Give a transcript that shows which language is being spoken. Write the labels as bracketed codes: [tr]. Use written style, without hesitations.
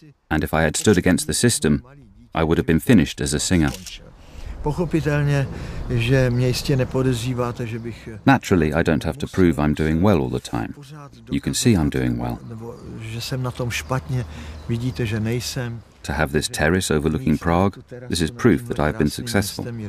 [en] And if I had stood against the system, I would have been finished as a singer. [cs] Pochopitelně, že mě jistě nepodezříváte, že bych. [en] Naturally, I don't have to prove I'm doing well all the time. You can see I'm doing well. [cs] Že jsem na tom špatně, vidíte, že nejsem. [en] To have this terrace overlooking Prague, this is proof that I have been successful.